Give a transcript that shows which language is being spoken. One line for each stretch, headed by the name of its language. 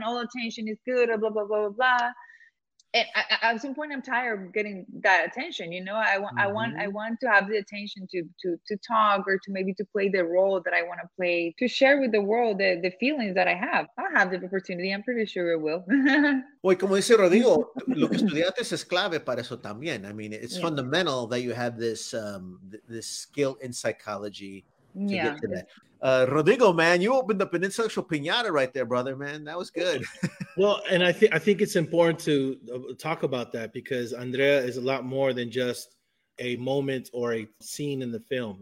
English: All attention is good. Blah, blah, blah, blah, blah. And at some point I'm tired of getting that attention. You know, I want to have the attention to talk, or to maybe to play the role that I want to play, to share with the world the feelings that I have. I'll have the opportunity. I'm pretty sure it will.
Spanish: Well, como dice Rodrigo, lo que estudiantes es clave para eso también.
English: I mean, it's fundamental that you have this, this skill in psychology. Rodrigo, man, you opened up an intellectual piñata right there, brother, man. That was good. Well, and I think it's important to talk about that, because Andrea is a lot more than just a moment or a scene in the film.